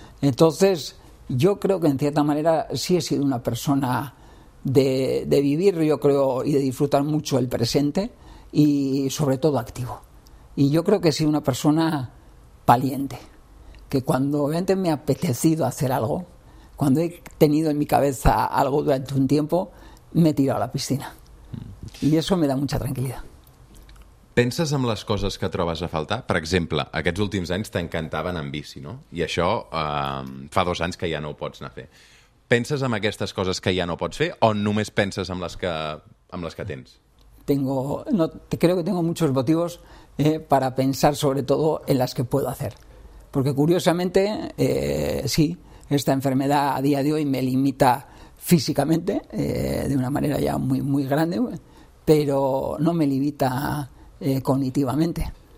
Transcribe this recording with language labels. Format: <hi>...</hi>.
<es>Entonces, yo creo que en cierta manera sí he sido una persona de vivir, yo creo, y de disfrutar mucho el presente y sobre todo activo. Y yo creo que he sido una persona valiente, que cuando realmente me ha apetecido hacer algo, cuando he tenido en mi cabeza algo durante un tiempo, me he tirado a la piscina. Y eso me da mucha tranquilidad.</es> <ca>Penses en les coses que trobes a faltar? Per exemple, aquests últims anys t'encantaven en bici, no? I això fa dos anys que ja no ho pots anar a fer. Penses en aquestes coses que ja no pots fer o només penses en les que tens?</ca> <es>tengo, no, creo que tengo muchos motivos para pensar sobre todo en las que puedo hacer. Porque curiosamente, sí, esta enfermedad a día de hoy me limita físicamente de una manera ya muy, muy grande, pero no me limita cognitivamente.</es>